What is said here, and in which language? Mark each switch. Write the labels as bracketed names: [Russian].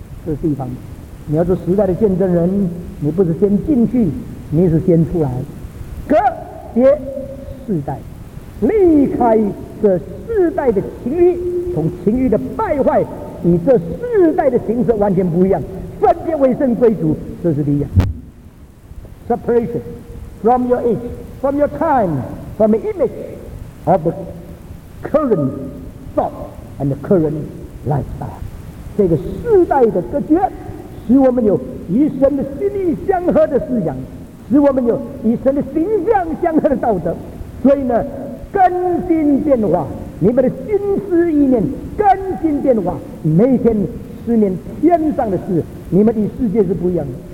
[Chinese] 这是一方面，你要做时代的见证人，你不是先进去，你是先出来，隔别世代，离开这世代的情欲，从情欲的败坏，与这世代的形式完全不一样，分别为圣归主，这是第一样。 [English] Separation from your age, from your time, from the image of the current thought and the current lifestyle。 [Chinese] 这个世代的隔绝，使我们有与神的心意相合的思想，使我们有与神的形象相合的道德。所以呢，更新变化，你们的心思意念更新变化，每天思念天上的事，你们与世界是不一样的。